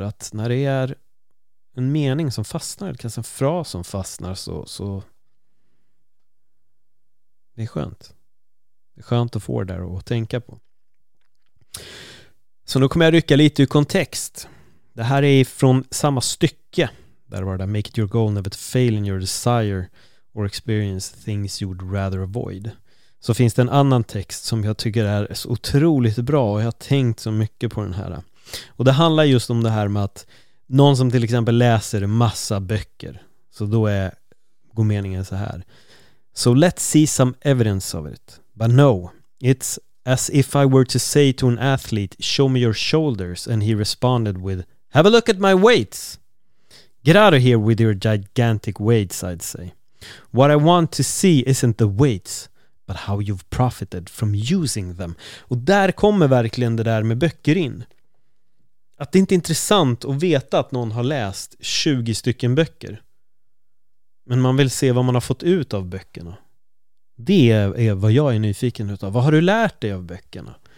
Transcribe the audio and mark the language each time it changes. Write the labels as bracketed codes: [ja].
[sv] Att när det är en mening som fastnar, eller kanske en fras som fastnar, så det är skönt. Det är skönt att få det där att tänka på. Så nu kommer jag rycka lite ur kontext. Det här är från samma stycke. Där var det där, [en] make it your goal, never to fail in your desire or experience things you'd rather avoid. [sv] Så finns det en annan text som jag tycker är så otroligt bra, och jag har tänkt så mycket på den här. Och det handlar just om det här med att någon som till exempel läser massa böcker, så då är god meningen så här. [en] So let's see some evidence of it. But no, it's as if I were to say to an athlete, show me your shoulders, and he responded with, have a look at my weights. Get out of here with your gigantic weights, I'd say. What I want to see isn't the weights, but how you've profited from using them. [sv] Och där kommer verkligen det där med böcker in. Att det inte är intressant att veta att någon har läst 20 stycken böcker, men man vill se vad man har fått ut av böckerna. Det är vad jag är nyfiken utav. Vad har du lärt dig av böckerna?